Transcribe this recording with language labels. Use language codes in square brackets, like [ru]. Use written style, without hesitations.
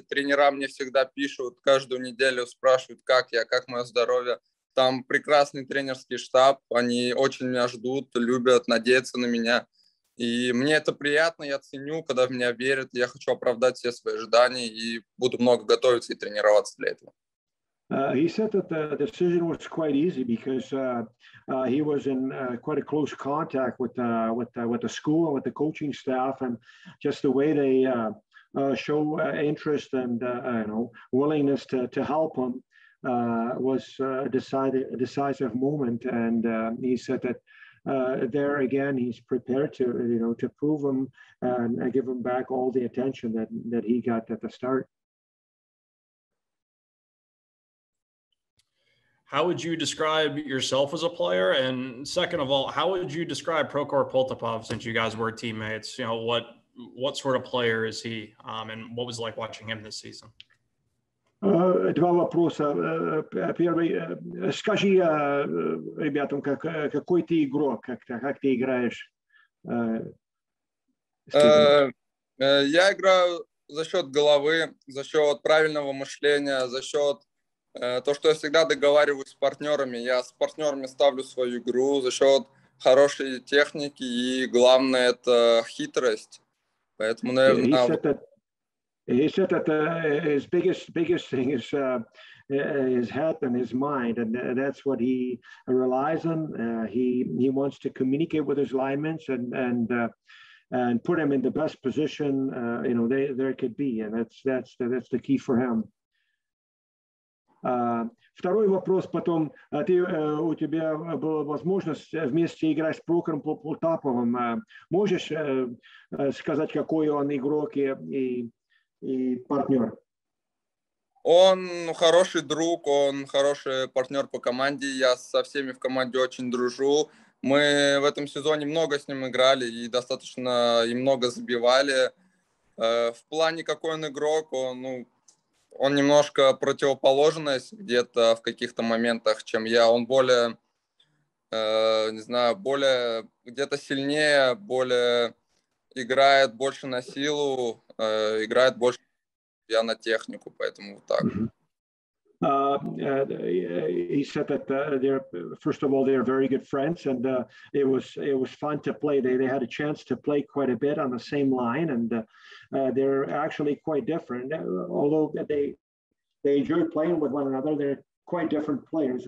[ru] Тренера мне всегда пишут, каждую неделю спрашивают, как я, как мое здоровье. Там прекрасный тренерский штаб. Они очень меня ждут, любят, надеются на меня. И мне это приятно, я ценю, когда в меня верят. Я хочу оправдать все свои ожидания и буду много готовиться и тренироваться для этого. [en] He said that the decision was quite easy because he was in quite a close contact with the school and with the coaching staff, and just the way they show interest and willingness to help him was a decisive moment. And he said that there again, he's prepared to to prove him and give him back all the attention that he got at the start. How would you describe yourself as a player? And second of all, how would you describe Prokhor Potapov since you guys were teammates? What sort of player is he? And what was it like watching him this season? [ru] Два вопроса. Первый. Скажи, ребятам, какой ты игрок, как ты играешь? Я играю за счет головы, за счет правильного мышления, за счет того, что я всегда договариваюсь с партнерами. Я с партнерами ставлю свою игру за счет хорошей техники и, главное, это хитрость. Поэтому, наверное... [en] He said that his biggest thing is his head and his mind, and that's what he relies on. He wants to communicate with his linemen and put him in the best position, you know, there could be, and that's the key for him. [ru] Второй вопрос потом. У тебя была возможность вместе играть с Прокором Полтаповым. Можешь сказать, какой он игрок и партнер? Он хороший друг, он хороший партнер по команде. Я со всеми в команде очень дружу. Мы в этом сезоне много с ним играли и достаточно и много забивали. В плане, какой он игрок, он немножко противоположность где-то в каких-то моментах, чем я. Он более, более где-то сильнее, более играет больше на силу, играет больше я на технику, поэтому вот так. [en] He said that they're, first of all, they are very good friends, and it was fun to play. They had a chance to play quite a bit on the same line, and they're actually quite different. Although they enjoy playing with one another, they're quite different players.